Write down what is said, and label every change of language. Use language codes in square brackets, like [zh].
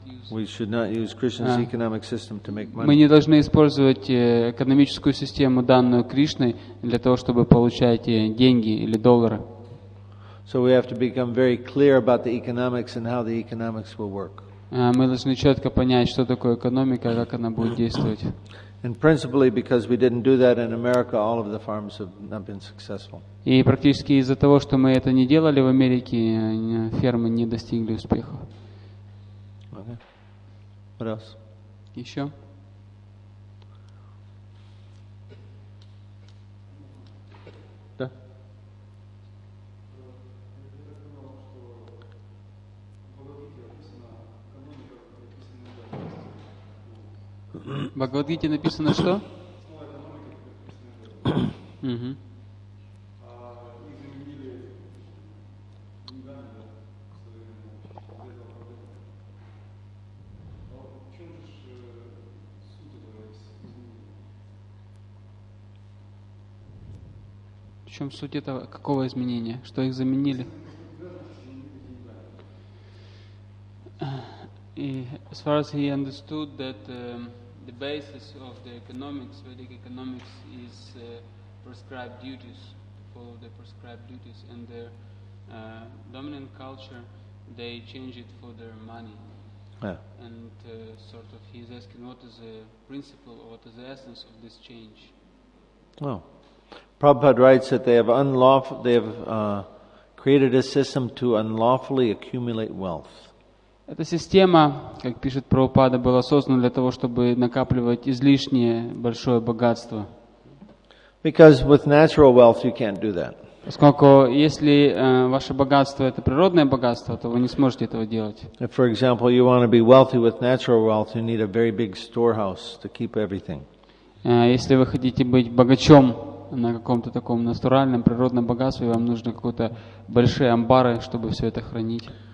[en] We should not use Krishna's economic system to make money. [ru] Мы не должны использовать экономическую систему, данную Кришной, для того, чтобы получать деньги или доллары. [en] So we have to become very clear about the economics and how the economics will work. [ru] Мы должны четко понять, что такое экономика, как она будет действовать. [en] And principally because we didn't do that in America, all of the farms have not been successful. [ru] И практически из-за того, что мы это не делали в Америке, фермы не достигли успеха. [en] What else? [ru] Еще? Да? В Бхагавад-гите написано что? В чем суть этого, какого изменения? Что их заменили? [en] И, as far as he understood that the basis of the economics, Vedic economics, is prescribed duties, follow the prescribed duties, and their dominant culture, they change it for their money. Yeah. And sort of he is asking what is the principle or what is the essence of this change? Oh. Prabhupada writes that they have created a system to unlawfully accumulate wealth. [ru] Эта система, как пишет Прабхупада, была создана для того, чтобы накапливать излишнее большое богатство. [en] Because with natural wealth you can't do that. [ru] Поскольку если ваше богатство это природное богатство, то вы не сможете этого делать. [en] If, for example, you want to be wealthy with natural wealth, you need a very big storehouse to keep everything. [ru] Если вы хотите быть богачом на каком-то таком натуральном, природном богатстве, вам нужны какие-то большие амбары, чтобы все это хранить.